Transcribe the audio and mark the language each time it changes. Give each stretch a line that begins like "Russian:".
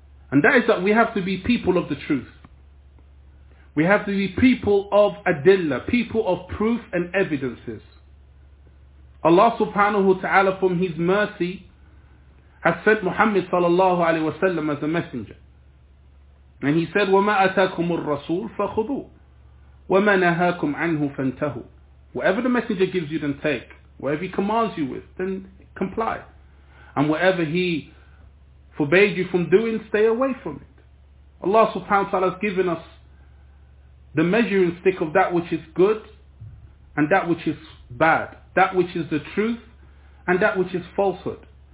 English: And that is that we have to be people of the truth. We have to be people of adilla, people of proof and evidences. Allah subhanahu wa ta'ala, from His mercy, has sent Muhammad sallallahu alaihi wasallam as a messenger. And He said,
Arabic: وَمَا أَتَاكُمُ الرَّسُولُ فَخُذُوهُ وَمَا نَهَاكُمْ عَنْهُ فَانْتَهُ.
English: Whatever the messenger gives you, then take. Whatever he commands you with, then comply. And whatever he forbade you from doing, stay away from it. Allah subhanahu wa ta'ala has given us the measuring stick of that which is good and that which is bad, that which is the truth and that which is falsehood.